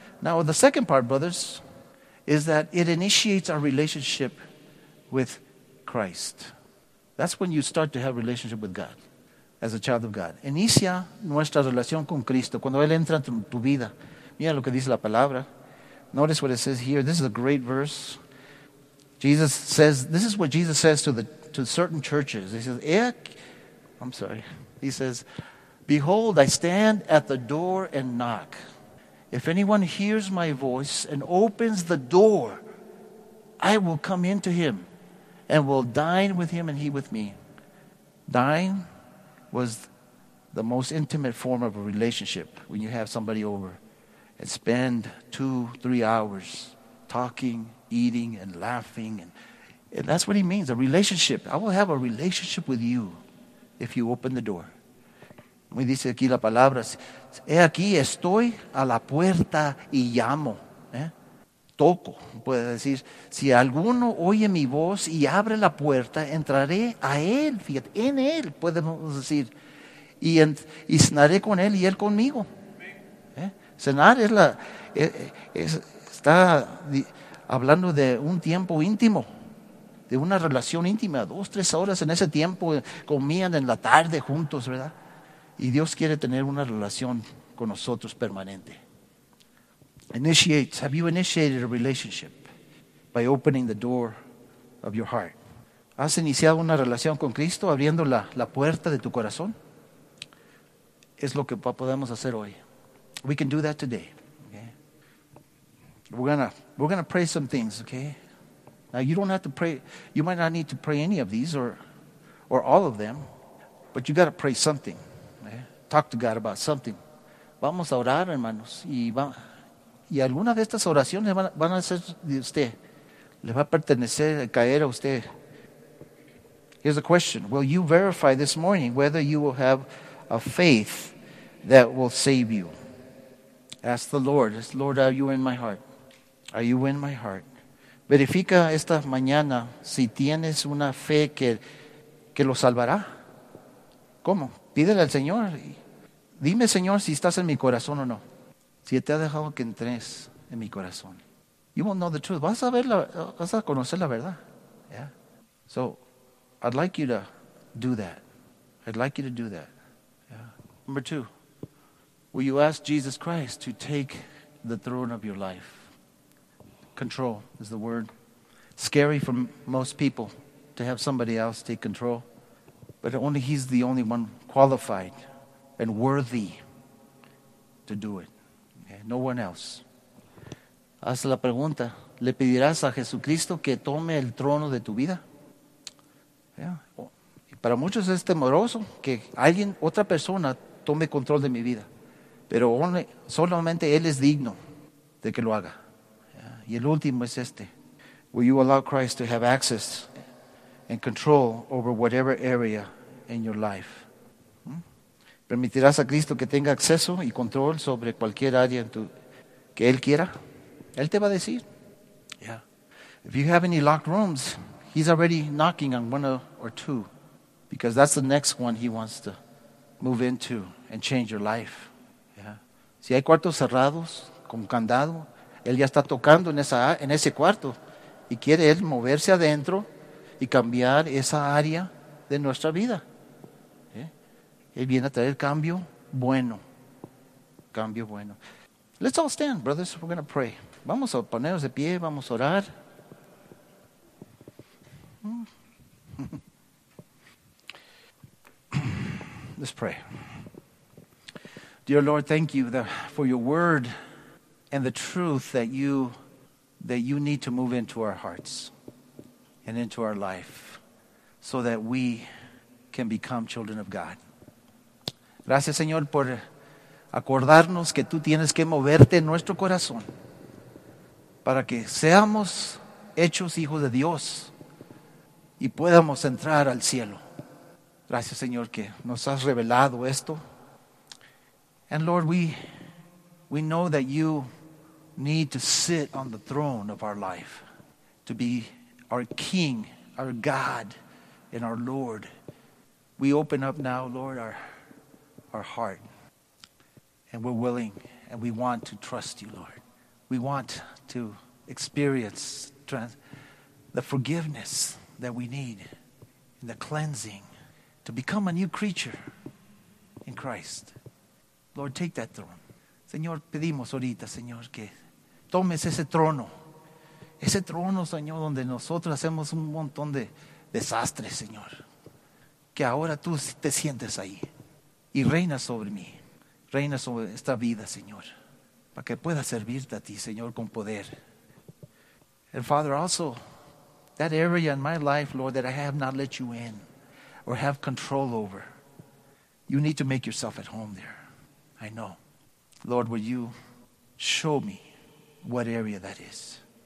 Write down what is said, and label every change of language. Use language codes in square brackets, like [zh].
[en] Now, the second part, brothers, is that it initiates our relationship with Christ. That's when you start to have relationship with God, as a child of God. [es] Inicia nuestra relación con Cristo, cuando Él entra en tu vida. Mira lo que dice la palabra. [en] Notice what it says here. This is a great verse. Jesus says, this is what Jesus says to certain churches. He says, He says, behold, I stand at the door and knock. If anyone hears my voice and opens the door, I will come into him and will dine with him and he with me. Dine was the most intimate form of a relationship when you have somebody over and spend 2-3 hours talking, eating, and laughing. And that's what he means, a relationship. I will have a relationship with you if you open the door. [es] Me dice aquí la palabra, he aquí, estoy a la puerta y llamo. Toco, puede decir, si alguno oye mi voz y abre la puerta, entraré a él, fíjate, en él, podemos decir, y cenaré con él y él conmigo. Cenar es la, está hablando de un tiempo íntimo, de una relación íntima, 2-3 horas en ese tiempo, comían en la tarde juntos, ¿verdad? Y Dios quiere tener una relación con nosotros permanente. [en] Initiates. Have you initiated a relationship by opening the door of your heart? [es] ¿Has iniciado una relación con Cristo abriendo la puerta de tu corazón? Es lo que podemos hacer hoy. [en] We can do that today. Okay. We're gonna pray some things, okay? Now you don't have to pray. You might not need to pray any of these or all of them, but you got to pray something. Okay? Talk to God about something. [es] Vamos a orar, hermanos, y algunas de estas oraciones van a ser de usted. Le va a pertenecer a caer a usted. [en] Here's a question. Will you verify this morning whether you will have a faith that will save you? Ask the Lord. Lord, are you in my heart? Are you in my heart? [es] Verifica esta mañana si tienes una fe que lo salvará. ¿Cómo? Pídele al Señor. Dime, Señor, si estás en mi corazón o no. Si te ha dejado que entres en mi corazón. [en] You won't know the truth. [es] Vas a conocer la verdad. [en] Yeah. So, I'd like you to do that. I'd like you to do that. Yeah. Number two. Will you ask Jesus Christ to take the throne of your life? Control is the word. Scary for most people to have somebody else take control. But only he's the only one qualified and worthy to do it. Okay? No one else. [es] Haz la pregunta. ¿Le pedirás a Jesucristo que tome el trono de tu vida? [en] Yeah. [es] Y para muchos es temoroso que alguien, otra persona, tome control de mi vida. Pero solamente Él es digno de que lo haga. Y el último es este. [en] Will you allow Christ to have access and control over whatever area in your life? [es] ¿Permitirás a Cristo que tenga acceso y control sobre cualquier área en tu, que Él quiera? Él te va a decir. [en] Yeah. If you have any locked rooms, He's already knocking on one or two, because that's the next one He wants to move into and change your life. [es] Si hay cuartos cerrados con candado, Él ya está tocando en ese cuarto y quiere Él moverse adentro y cambiar esa área de nuestra vida. ¿Eh? Él viene a traer cambio bueno. Cambio bueno. [en] Let's all stand, brothers. We're going to pray. [es] Vamos a ponernos de pie. Vamos a orar. [en] Let's pray. Dear Lord, thank you for your word and the truth that you need to move into our hearts and into our life so that we can become children of God. [es] Gracias, Señor, por acordarnos que tú tienes que moverte en nuestro corazón para que seamos hechos hijos de Dios y podamos entrar al cielo. Gracias, Señor, que nos has revelado esto. [en] And Lord, we know that you need to sit on the throne of our life to be our King, our God, and our Lord. We open up now, Lord, our heart. And we're willing and we want to trust you, Lord. We want to experience the forgiveness that we need and the cleansing to become a new creature in Christ. Lord, take that throne. [es] Señor, pedimos ahorita, Señor, que tomes ese trono. Ese trono, Señor, donde nosotros hacemos un montón de desastres, Señor. Que ahora tú te sientes ahí y reina sobre mí. Reina sobre esta vida, Señor. Para que pueda servirte a ti, Señor, con poder. [en] And Father, also, that area in my life, Lord, that I have not let you in or have control over, you need to make yourself at home there. I know. Lord, will you show me what area that is?